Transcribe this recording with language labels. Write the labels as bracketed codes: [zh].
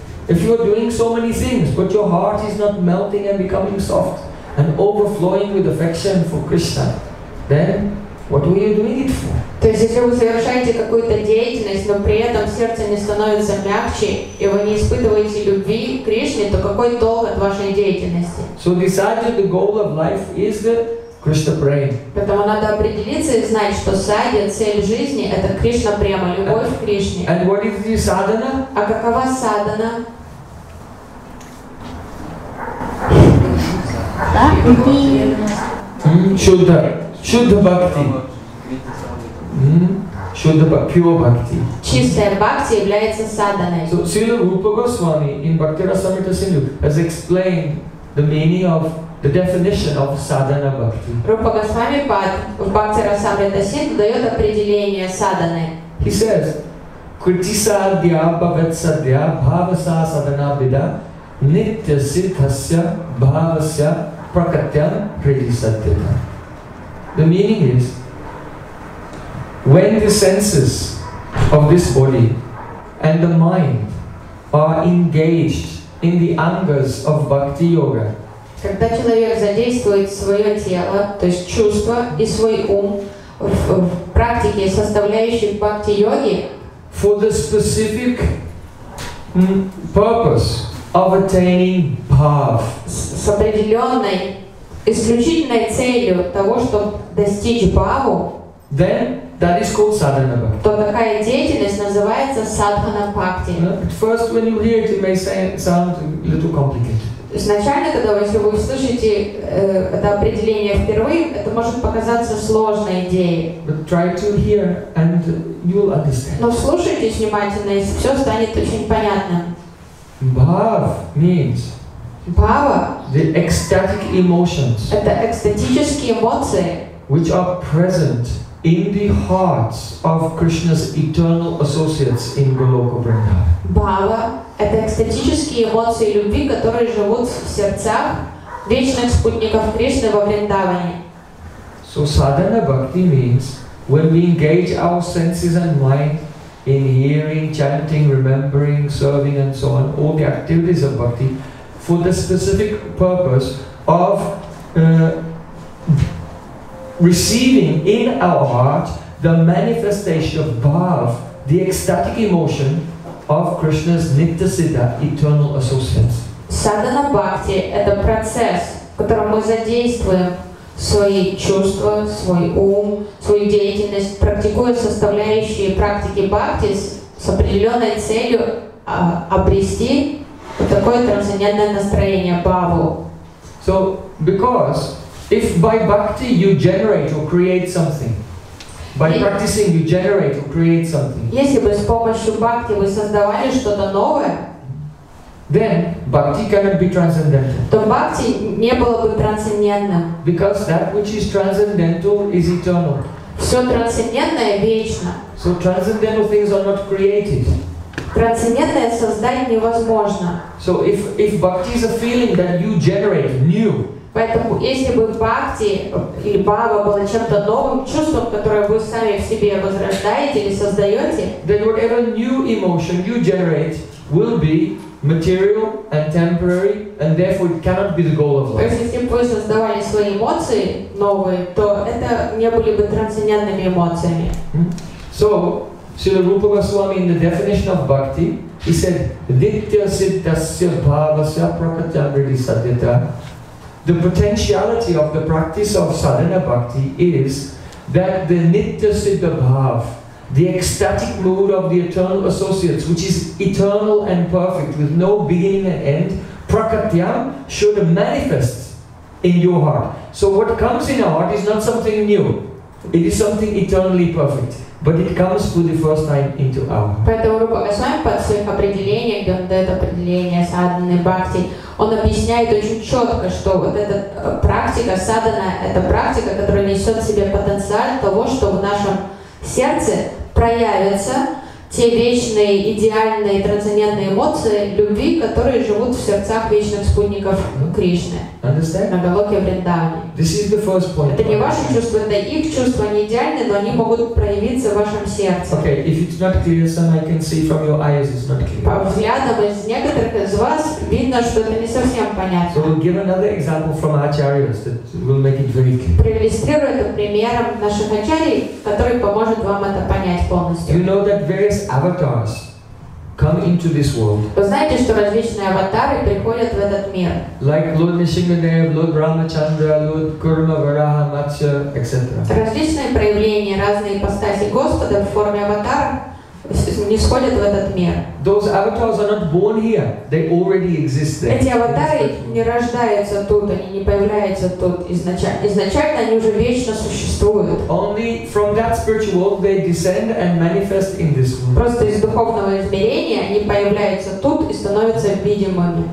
[en] If you are doing so many things, but your heart is not melting and becoming soft and overflowing with affection for Krishna, then what are you doing it for? [ru] То есть, если вы совершаете какую-то деятельность, но при этом сердце не становится мягче, и вы не испытываете любви к Кришне, то какой толк от вашей деятельности? [en] So the sadhya, the goal of life, is the Krishna prema. [ru] Поэтому надо определиться и знать, что sadhya, цель жизни, это Кришна према, любовь к Кришне. [en] And what is the sadhana? [ru] А какова sadhana? [sa] Shuddha. Shuddha bhakti. [en] Shuddha bhakti, pure bhakti. [ru] Чистая бхакти является садханой. [en] So Srila Rupa Goswami in Bhaktirasamrita Sindhu has explained the meaning of the definition of sadhana bhakti. [ru] Rupa Goswami в Bhaktirasamrita Sindhu дает определение садханы. [sa] He says, Kriti sadhya bhavat sadhya bhavasa sadhana vidha nitya siddhasya bhavasya prakatyam hridi sadhya. [en] The meaning is, when the senses of this body and the mind are engaged in the angas of bhakti yoga, [ru] когда человек задействует свое тело, то есть чувства и свой ум в практике, составляющей бхакти йоги, [en] for the specific purpose of attaining bhav, [ru] с определенной исключительной целью того, чтобы достичь бхаву, [en] then that is called sadhana bhakti. [ru] То такая деятельность называется sadhana bhakti. [en] At first, when you hear it, it may sound a little complicated. [ru] Изначально, когда вы, если вы услышите это определение впервые, это может показаться сложной идеей. [en] But try to hear and you will understand. [ru] Но слушайте внимательно, и все станет очень понятно. [en] Bhav means [ru] bhava, [en] the ecstatic emotions. [ru] Это экстатические эмоции, [en] which are present in the hearts of Krishna's eternal associates in Goloka Vrindavan. [ru] Bhava – это экстатические эмоции любви, которые живут в сердцах вечных спутников Кришны во Вриндаване. [en] So sadhana bhakti means when we engage our senses and mind in hearing, chanting, remembering, serving and so on, all the activities of bhakti, for the specific purpose of receiving in our heart the manifestation of bhav, the ecstatic emotion of Krishna's nitya siddha eternal associates. [ru] Sadhana bhakti – это процесс, в котором мы задействуем свои чувства, свой ум, свою деятельность, практикуя составляющие практики бхакти с определенной целью обрести вот такое трансцендентное настроение бхаву. [en] So, because if by bhakti you generate or create something, by practicing you generate or create something. [ru] Если бы с помощью бхакти вы создавали что-то новое, [en] then bhakti cannot be transcendental. [ru] То бхакти не было бы трансцендентным. [en] Because that which is transcendental is eternal. [ru] Все трансцендентное вечно. [en] So transcendental things are not created. [ru] Трансцендентное создание невозможно. [en] So if bhakti is a feeling that you generate new. [ru] Поэтому если бы бхакти или бхава было чем-то новым чувством, которое вы сами в себе возрождаете или создаете, [en] then whatever new emotion you generate will be material and temporary, and therefore it cannot be the goal of life. [ru] То есть, если бы вы создавали свои эмоции новые, то это не были бы трансцендентными эмоциями. [en] So, Srila Rupa Goswami in the definition of bhakti, he said, [sa] ditya siddhasya bhavasya prakatyamriti sadhyata. [en] The potentiality of the practice of sadhana bhakti is that the nitya siddha bhav, the ecstatic mood of the eternal associates, which is eternal and perfect with no beginning and end, prakatyam, should manifest in your heart. So what comes in our heart is not something new. It is something eternally perfect. But it comes for the first time into our. [ru] Поэтому Рупа Госвами под своих определениях, где он дает определение садханы бхакти, он объясняет очень четко, что вот эта практика садхана, это практика, которая несет в себе потенциаль того, что в нашем сердце проявятся те вечные, идеальные, трансцендентные эмоции любви, которые живут в сердцах вечных спутников Кришны. [en] Understand? [ru] На Галоке Вриндаване. [en] This is the first point. [ru] Это не ваши чувства, это их чувства, они идеальны, но они могут проявиться в вашем сердце. [en] Okay, if it's not clear, then I can see from your eyes it's not clear. [ru] По взглядам из некоторых из вас видно, что это не совсем понятно. [en] So we'll give another example from Acharyas that will make it very clear. [ru] Проиллюстрирую это примером наших Ачарий, который поможет вам это понять полностью. [en] You know that various avatars come into this world. [ru] Вы знаете, что различные аватары приходят в этот мир? [en] Like Lord Nishimadev, Lord Ramachandra, Lord Kurma, Varaha, Matsya, etc. [ru] Различные проявления, разные ипостаси Господа в форме аватара нисходят в этот мир. [en] Those avatars are not born here. They already exist there. [ru] Эти аватары не рождаются тут, они не появляются тут изначально. Изначально они уже вечно существуют. [en] Only from that spiritual world they descend and manifest in this world. [ru] Просто из духовного измерения они появляются тут и становятся видимыми.